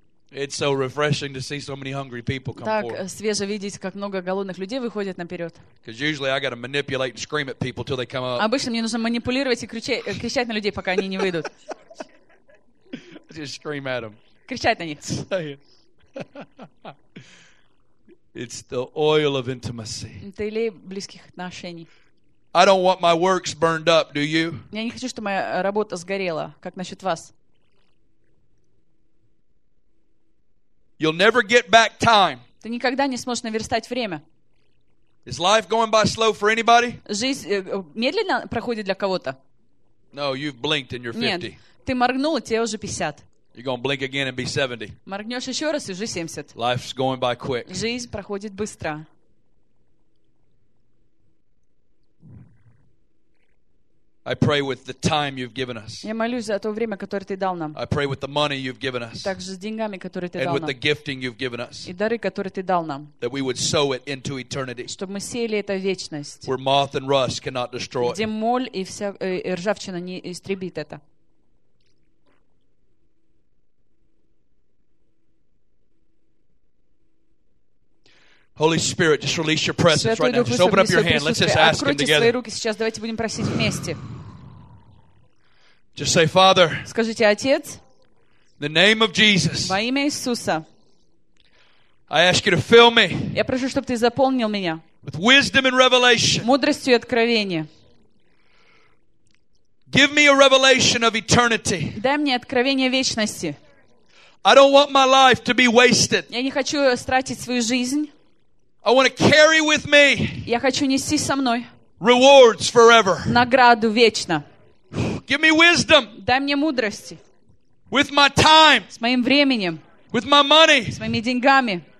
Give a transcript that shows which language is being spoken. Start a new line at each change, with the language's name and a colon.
English: It's so refreshing to see so many hungry people come forward.
Russian: Так свеже видеть, как много голодных людей выходят наперед.
English: Because usually I got to manipulate and scream at people till they come up.
Russian: Обычно мне нужно манипулировать и кричать на людей, пока они не выйдут.
English: Just scream at them.
Russian: Кричать на них.
English: It's the oil of intimacy.
Russian: Это елей близких отношений.
English: I don't want my works burned up, do you?
Russian: Я не хочу, чтобы моя работа сгорела. Как насчет вас?
English: You'll never get back time.
Russian: Ты никогда не сможешь наверстать время.
English: Is life going by slow for anybody?
Russian: Жизнь медленно проходит для кого-то?
English: No, you've blinked and you're 50.
Russian: Ты моргнул, и тебе уже 50.
English: You're gonna blink again and be 70.
Russian: Моргнешь еще раз, и уже 70.
English: Life's going by quick.
Russian: Жизнь проходит быстро.
English: I pray with the time you've given us.
Russian: Я молюсь за то время, которое ты дал нам.
English: I pray with the money you've given us.
Russian: Также с деньгами, которые ты дал нам.
English: And with the gifting you've given us.
Russian: И дары, которые ты дал нам.
English: That we would sow it into eternity.
Russian: Чтобы мы сеяли это в вечность.
English: Where moth and rust cannot destroy.
Russian: Где моль и вся ржавчина не истребит это.
English: Holy Spirit, just release your presence right now. Just open up your hand. Let's just ask Him together.
Russian: Свои руки сейчас. Давайте будем просить вместе.
English: Just say, Father.
Russian: Скажите, Отец.
English: The name of Jesus.
Russian: Во имя Иисуса.
English: I ask you to fill me.
Russian: Я прошу, чтобы ты заполнил меня.
English: With wisdom and revelation.
Russian: Мудростью и откровением.
English: Give me a revelation of eternity.
Russian: Дай мне откровение вечности.
English: I don't want my life to be wasted.
Russian: Я не хочу тратить свою жизнь.
English: I want to carry with me.
Russian: Я хочу нести со мной.
English: Rewards forever.
Russian: Награду вечно.
English: Give me wisdom.
Russian: Дай мне мудрости.
English: With my time.
Russian: С моим временем.
English: With my money.
Russian: С моими деньгами.